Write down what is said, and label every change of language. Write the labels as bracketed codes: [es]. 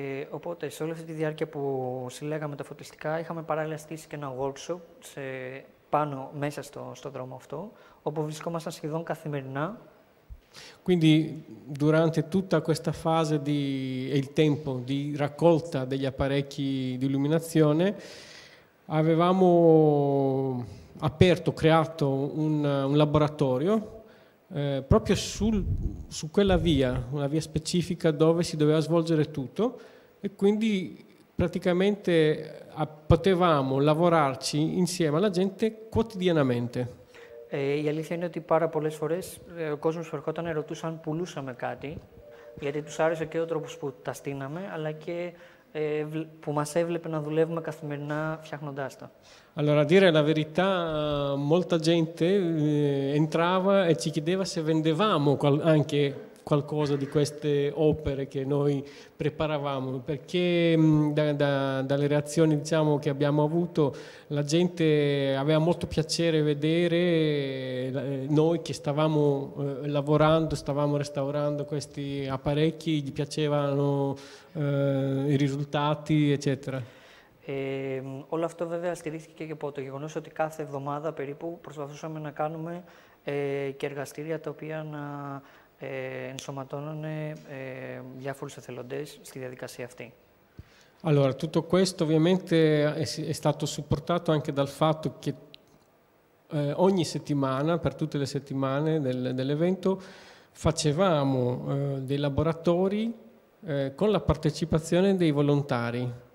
[el] Οπότε, σε όλη αυτή τη διάρκεια που συλλέγαμε τα φωτιστικά, είχαμε παράλληλα στήσει και ένα workshop πάνω μέσα στο δρόμο αυτό, όπου βρισκόμασταν σχεδόν καθημερινά. [it] Quindi durante tutta questa fase e il tempo di raccolta degli apparecchi di illuminazione avevamo creato un laboratorio proprio su quella via, una via specifica dove si doveva svolgere tutto e quindi praticamente potevamo lavorarci insieme alla gente quotidianamente. [el] Η αλήθεια είναι ότι πάρα πολλές φορές ο κόσμος που ερχόταν ρωτούσε αν πουλούσαμε κάτι, γιατί τους άρεσε και ο τρόπος που τα στείναμε, αλλά και που μας έβλεπε να δουλεύουμε καθημερινά φτιάχνοντάς τα. [it] Allora, dire la verità, molta gente entrava e ci chiedeva se vendevamo anche qualcosa di queste opere che noi preparavamo, perché dalle reazioni, diciamo, che abbiamo avuto, la gente aveva molto piacere vedere noi che stavamo lavorando, stavamo restaurando questi apparecchi, gli piacevano i risultati, eccetera. [el] Όλο αυτό βέβαια στηρίχθηκε και από το γεγονός ότι κάθε εβδομάδα περίπου προσπαθούσαμε να κάνουμε και εργαστήρια τα οποία να ενσωματώνουνε διάφορους εθελοντές στη διαδικασία αυτή. [it] Allora, tutto questo ovviamente è stato supportato anche dal fatto che ogni settimana, per tutte le settimane dell'evento, facevamo dei laboratori con la partecipazione dei volontari.